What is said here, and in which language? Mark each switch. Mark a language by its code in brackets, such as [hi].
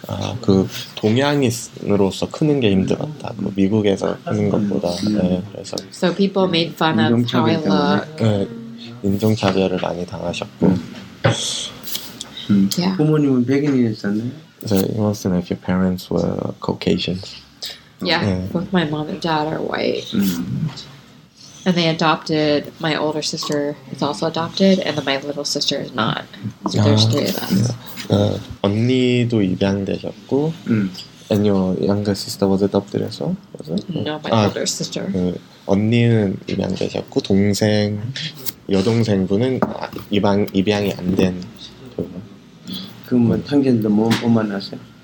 [ko] 아, 그 동양인으로서 크는 게 힘들었다. 뭐 미국에서 크는 것보다. 네, 그래서. [en] So people made fun of how I look. [ko] 네, 인종차별을 많이 당하셨고. [en] Yeah. [ko] 부모님은 백인이셨나요? [en] So he wants to know if your parents were Caucasian. Yeah, both my mom and dad are white. And they adopted, my older sister is also adopted, and then my little sister is not. So there's three of us. [ko] 언니도 입양되셨고, [en] and your younger sister was adopted as well? Was it? No, my older sister. [ko] 언니는 입양되셨고, 동생, 여동생분은 입양이 안 된. 그럼 뭐, 탕진도 못 만나세요?